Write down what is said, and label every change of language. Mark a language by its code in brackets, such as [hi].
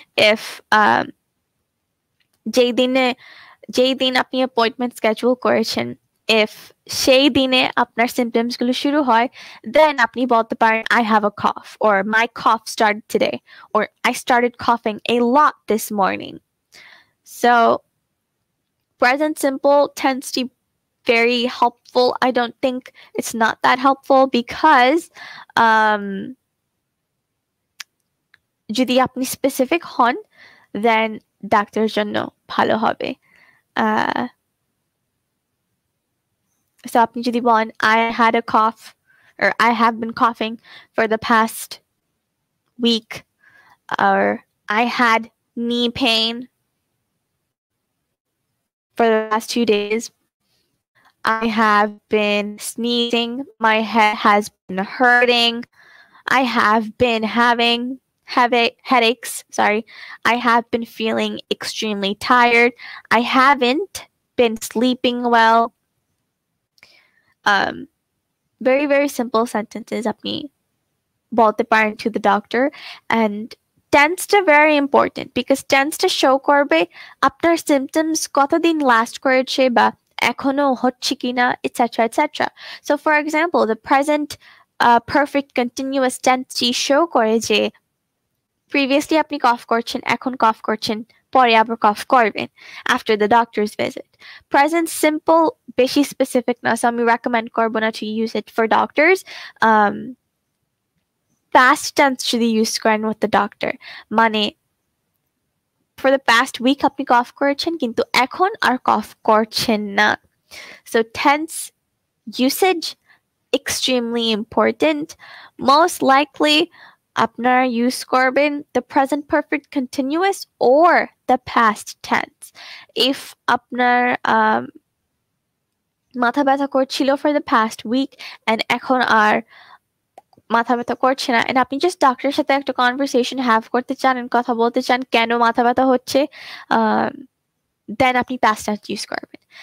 [en] if [bn] যেই দিনে আপনি অ্যাপয়েন্টমেন্ট স্কেজুল করেছেন, [en] If সেই দিনে আপনার সিমটমসগুলো শুরু হয়, দেন আপনি বলতে পারেন I have a cough, or my cough started today, or I started কফিং A lot this morning. So present simple tends to be very helpful. I don't think it's not that helpful because [bn] jodi apni specific hon [en] then [bn] doctor jonno bhalo hobe. [en] So apni jodi bolen I had a cough or I have been coughing for the past week or I had knee pain for the last 2 days, I have been sneezing, my head has been hurting, I have been having headaches, sorry, I have been feeling extremely tired, I haven't been sleeping well. Very, very simple sentences apni [bn] বলতে পারেন to the doctor, and টেন্সটা very important, because টেন্সটা show করবে আপনার symptoms কতদিন last করেছে বা এখনো হচ্ছে কি না, et cetera et cetera. So for example the present perfect continuous টেন্সটি show করে যে প্রিভিয়াসলি আপনি কফ করছেন, এখন কফ করছেন, পরে আবার কফ করবেন [en] After the doctor's visit. [bn] Present simple বেশি স্পেসিফিক না, সো আমি রেকমেন্ড করবো না [en] To use it for doctors. Past tense should be used when with the doctor. [bn] Mane, [en] for the past week [bn] apni cough korchen kintu ekhon ar cough korchen na. [en] So tense usage extremely important. Most likely [bn] apnar use korben [en] the present perfect continuous or the past tense. [bn] If apnar matha byatha korchilo [en] for the past week [bn] and ekhon ar মাথা ব্যথা করছে না, and আপনি just ডাক্তারের সাথে একটা conversation have করতে চান, কথা বলতে চান কেন মাথা ব্যথা হচ্ছে, দেন আপনি প্যাস্ট টেন্স ইউজ করবেন।